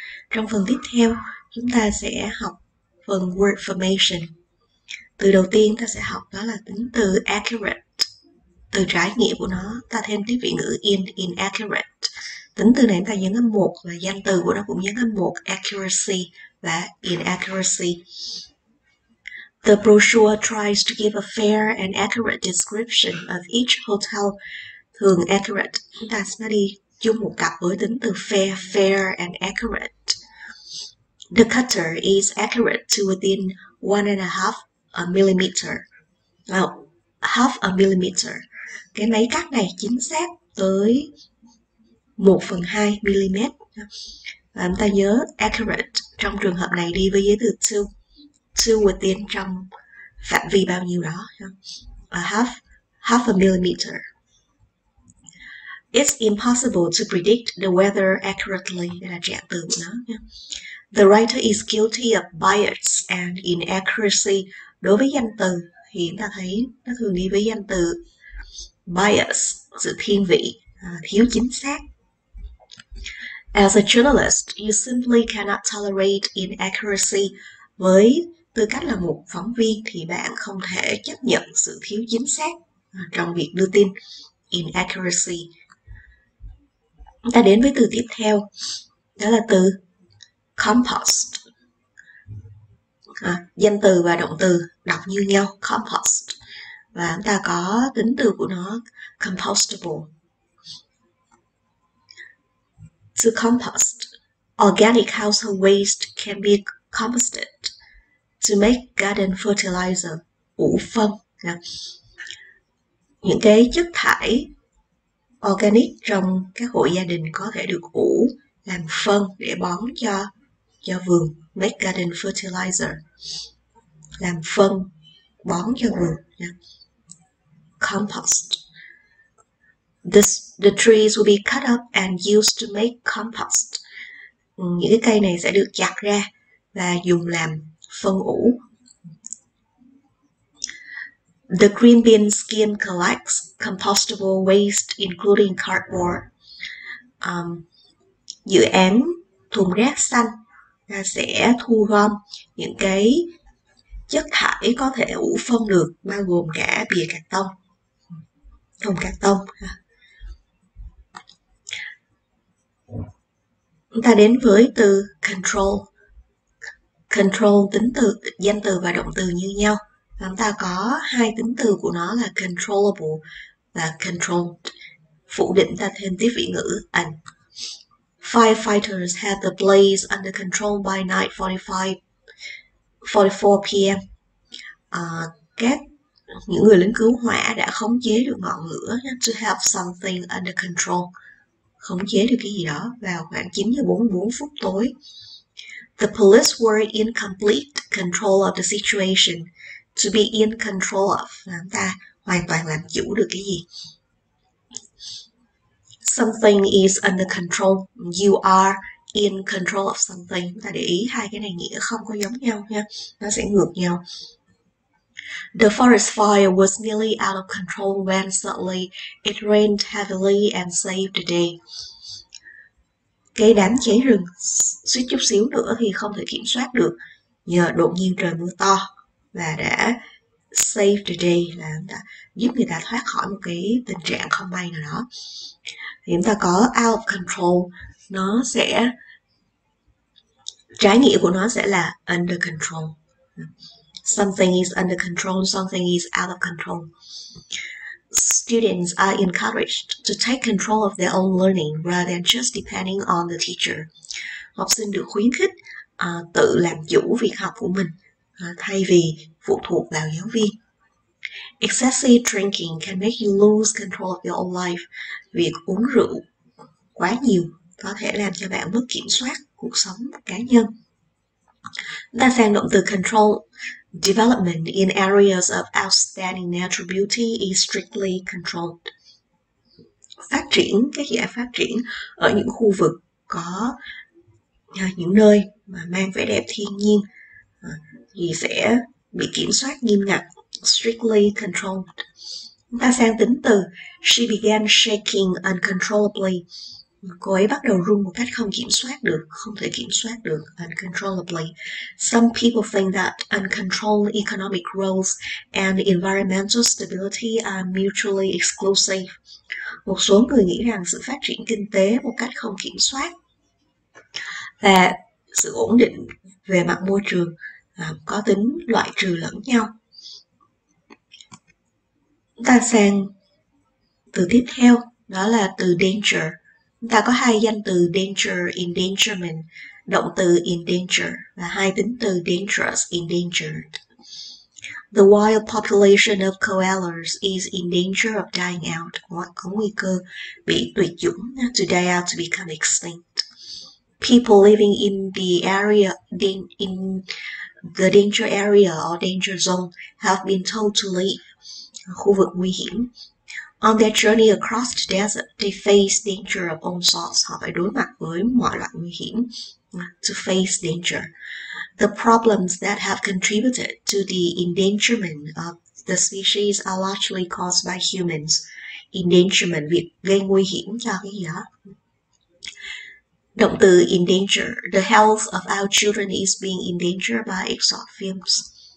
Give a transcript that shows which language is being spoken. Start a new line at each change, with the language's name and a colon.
Vietnamese: Trong phần tiếp theo, chúng ta sẽ học phần Word Formation. Từ đầu tiên, ta sẽ học đó là tính từ Accurate. Từ trái nghĩa của nó, ta thêm tiếp vị ngữ inaccurate. Tính từ này, ta nhấn âm 1 và danh từ của nó cũng nhấn âm 1, Accuracy và Inaccuracy.
English: The brochure tries to give a fair and accurate description of each hotel.
Vietnamese: Thường accurate, chúng ta sẽ đi chung một cặp với tính từ fair,
English: fair and accurate. The cutter is accurate to within 1.5 millimeter. Well, half a millimeter.
Vietnamese: Cái máy cắt này chính xác tới 1/2 millimeter. Và chúng ta nhớ accurate trong trường hợp này đi với giới từ to.
English: To within
Vietnamese: trong phạm vi bao nhiêu đó.
English: Half a millimeter. It's impossible to predict the weather accurately.
Vietnamese: Đây là trạng từ của nó.
English: The writer is guilty of bias and inaccuracy.
Vietnamese: Đối với danh từ thì chúng ta thấy nó thường đi với danh từ bias, sự thiên vị, thiếu chính xác.
English: As a journalist, you simply cannot tolerate inaccuracy.
Vietnamese: Với tư cách là một phóng viên thì bạn không thể chấp nhận sự thiếu chính xác trong việc đưa tin, inaccuracy. Chúng ta đến với từ tiếp theo, đó là từ compost. Danh từ và động từ đọc như nhau, compost. Và chúng ta có tính từ của nó, compostable.
English: To compost, organic household waste can be composted to make garden fertilizer,
Vietnamese: ủ phân. Những cái chất thải organic trong các hộ gia đình có thể được ủ làm phân để bón cho vườn,
English: make garden fertilizer,
Vietnamese: làm phân bón cho vườn.
English: Compost. The trees will be cut up and used to make compost.
Vietnamese: Những cái cây này sẽ được chặt ra và dùng làm phân ủ.
English: The green bin scheme collects compostable waste including cardboard.
Vietnamese: Dự án thùng rác xanh sẽ thu gom những cái chất thải có thể ủ phân được, bao gồm cả bìa cạc tông, thùng cạc tông. Chúng ta đến với từ control. Control tính từ, danh từ và động từ như nhau. Chúng ta có hai tính từ của nó là controllable và controlled. Phủ định ta thêm tiếp vị ngữ an.
English: Firefighters had the blaze under control by night 44 p.m.
Vietnamese: Các những người lính cứu hỏa đã khống chế được ngọn lửa,
English: to have something under control,
Vietnamese: khống chế được cái gì đó vào khoảng 9:44 tối.
English: The police were in complete control of the situation. To be in control of,
Vietnamese: chúng ta hoàn toàn làm chủ được cái gì.
English: Something is under control. You are in control of something.
Vietnamese: Chúng ta để ý hai cái này nghĩa không có giống nhau nha. Nó sẽ ngược nhau.
English: The forest fire was nearly out of control when suddenly it rained heavily and saved the day.
Vietnamese: Cái đám cháy rừng suýt chút xíu nữa thì không thể kiểm soát được nhờ đột nhiên trời mưa to và đã
English: save the day,
Vietnamese: là giúp người ta thoát khỏi một cái tình trạng không may nào đó. Thì chúng ta có
English: out of control,
Vietnamese: nó sẽ trái nghĩa của nó sẽ là
English: under control. Something is under control, something is out of control. Students are encouraged to take control of their own learning rather than just depending on the teacher.
Vietnamese: Học sinh được khuyến khích tự làm chủ việc học của mình thay vì phụ thuộc vào giáo viên.
English: Excessive drinking can make you lose control of your own life.
Vietnamese: Việc uống rượu quá nhiều có thể làm cho bạn mất kiểm soát cuộc sống cá nhân. Ta sang động từ control.
English: Development in areas of outstanding natural beauty is strictly controlled.
Vietnamese: Phát triển, các dự án phát triển ở những khu vực có những nơi mà mang vẻ đẹp thiên nhiên thì sẽ bị kiểm soát nghiêm ngặt,
English: strictly controlled.
Vietnamese: Chúng ta sang tính từ
English: she began shaking uncontrollably.
Vietnamese: Cô ấy bắt đầu run một cách không kiểm soát được, không thể kiểm soát được, uncontrollably.
English: Some people think that uncontrolled economic growth and environmental stability are mutually exclusive.
Vietnamese: Một số người nghĩ rằng sự phát triển kinh tế một cách không kiểm soát và sự ổn định về mặt môi trường có tính loại trừ lẫn nhau. Ta sang từ tiếp theo, đó là từ danger. Chúng ta có hai danh từ danger, endangerment, động từ endanger và hai tính từ dangerous, endangered.
English: The wild population of koalas is in danger of dying out.
Vietnamese: Có nguy cơ bị tuyệt chủng,
English: to die out, to become extinct. People living in the danger area or danger zone have been told to leave.
Vietnamese: Khu vực nguy hiểm.
English: On their journey across the desert, they face danger of all sorts.
Vietnamese: Họ phải đối mặt với mọi loại nguy hiểm.
English: To face danger. The problems that have contributed to the endangerment of the species are largely caused by humans.
Vietnamese: Endangerment, việc gây nguy hiểm cho cái gì đó. Động từ endanger.
English: The health of our children is being endangered by exhaust fumes.